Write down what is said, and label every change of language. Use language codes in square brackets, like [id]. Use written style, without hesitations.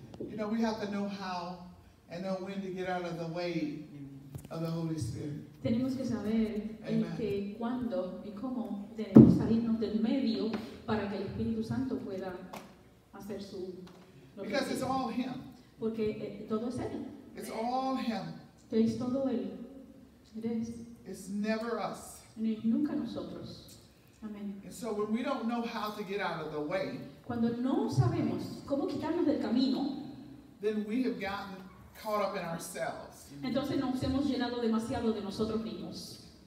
[en] You know, we have to know how and know when to get out of the way of the Holy Spirit. [es] Tenemos que saber en qué, cuándo y cómo debemos salirnos del medio para que el Espíritu Santo pueda hacer su. [en] Because it's all Him. [es] Porque todo es Él. [en] It's all Him. [es] Es todo Él. [en] It's never us. [es] Ni nunca nosotros. Amen. [en] And so when we don't know how to get out of the way, [es] cuando no sabemos cómo quitarnos del camino, [en] then we have gotten caught up in ourselves. [es] Entonces nos hemos llenado demasiado de nosotros mismos.